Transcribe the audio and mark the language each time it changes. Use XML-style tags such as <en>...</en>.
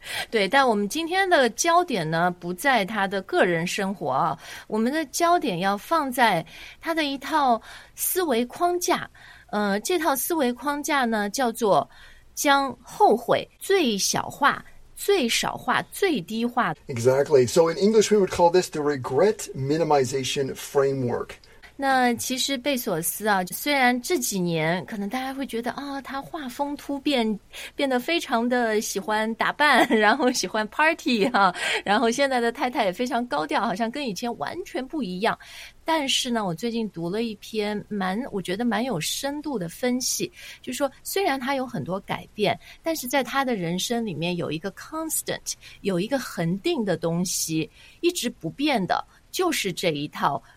<zh>对，但我们今天的焦点呢，不在他的个人生活啊，我们的焦点要放在他的一套思维框架。这套思维框架呢，叫做将后悔最小化、最少化、最低化。</zh> <en>Exactly. So in English, we would call this the regret minimization framework.</en> <zh>那其实贝索斯啊，虽然这几年可能大家会觉得啊、哦，他画风突变，变得非常的喜欢打扮，然后喜欢 party 哈、啊，然后现在的太太也非常高调，好像跟以前完全不一样。但是呢，我最近读了一篇我觉得蛮有深度的分析，就是说虽然他有很多改变，但是在他的人生里面有一个 constant， 有一个恒定的东西，一直不变的，就是这一套。</zh>